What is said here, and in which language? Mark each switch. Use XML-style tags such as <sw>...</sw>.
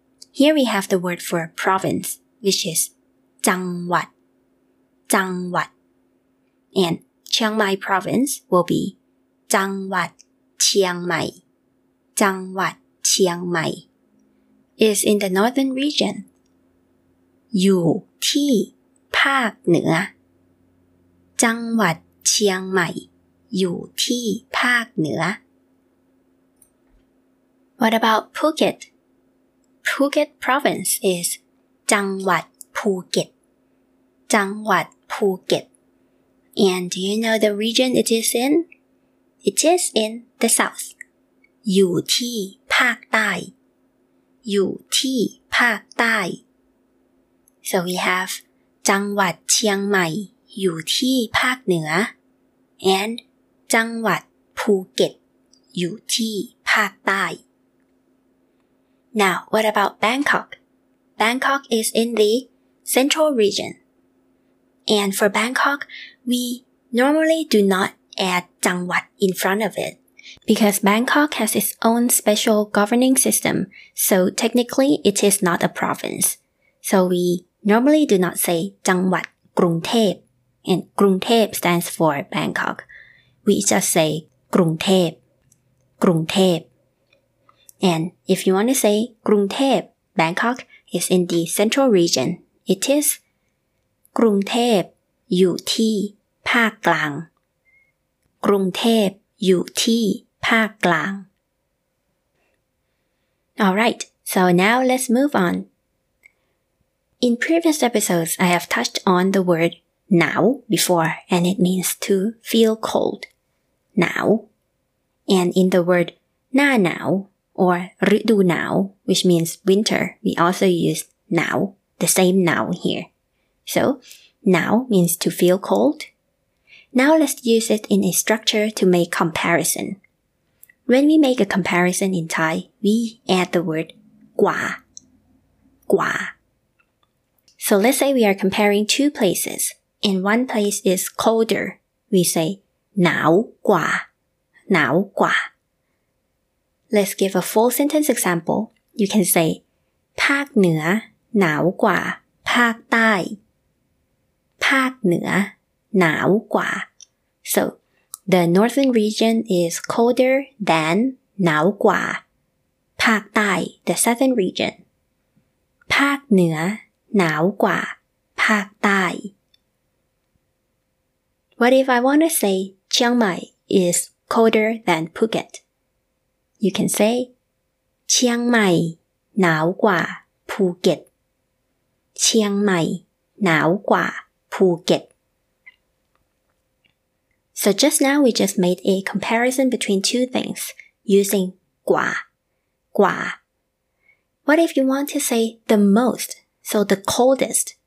<en>Here we have the word for province, which is Chiang Wat, Chiang Wat. And Chiang Mai province will be Chiang Wat, Chiang Mai, Chiang Wat, Chiang Mai. Is in the northern region.</en> <th>อยู่ที่ภาคเหนือ</th> <en>Chiang Wat, Chiang Mai, อยู่ที่ภาคเหนือWhat about Phuket? Phuket province is</en> <th>จังหวัดภูเก็ต จังหวัดภูเก็ต</th> <en>And do you know the region it is in? It is in the south.</en> <th>อยู่ที่ภาคใต้ อยู่ที่ภาคใต้</th> <en>So we have</en> <th>จังหวัดเชียงใหม่อยู่ที่ภาคเหนือ</th> <en>And</en> <th>จังหวัดภูเก็ตอยู่ที่ภาคใต้</th> <en>Now, what about Bangkok? Bangkok is in the central region. And for Bangkok, we normally do not add Jangwat in front of it. Because Bangkok has its own special governing system, so technically it is not a province. So we normally do not say Jangwat Krungthep. And Krungthep stands for Bangkok. We just say Krungthep. Krungthep. And if you want to say Krungthep, Bangkok is in the central region. It is Krungthep</en> <th>อยู่ที่ภาคกลาง</th> <en>Krungthep อยู่ที่ภาคกลาง Alright, so now let's move on. In previous episodes, I have touched on the word หนาว before, and it means to feel cold. หนาว And in the word หน้าหนาวOr ฤดูหนาว, which means winter, we also use หนาว, the same หนาว here. So, หนาว means to feel cold. Now let's use it in a structure to make comparison. When we make a comparison in Thai, we add the word กว่า, กว่า. So let's say we are comparing two places, and one place is colder. We say</en> <th>หนาวกว่า, หนาวกว่า</th> <en>Let's give a full sentence example. You can say,</en> <th>ภาคเหนือหนาวกว่าภาคใต้ภาคเหนือหนาวกว่า</th> <en>So, the northern region is colder than</en> <th>หนาวกว่าภาคใต้</th> <en>the southern region.</en> <th>ภาคเหนือหนาวกว่าภาคใต้</th> <en>What if I want to say, Chiang Mai is colder than Phuket? You can say, Chiang Mai,</en> <th>หนาวกว่าภูเก็ต</th> <en>Chiang Mai, หนาวกว่าภูเก็ต So just now we just made a comparison between two things using กว่า, กว่า What if you want to say the most, so the coldest?</en>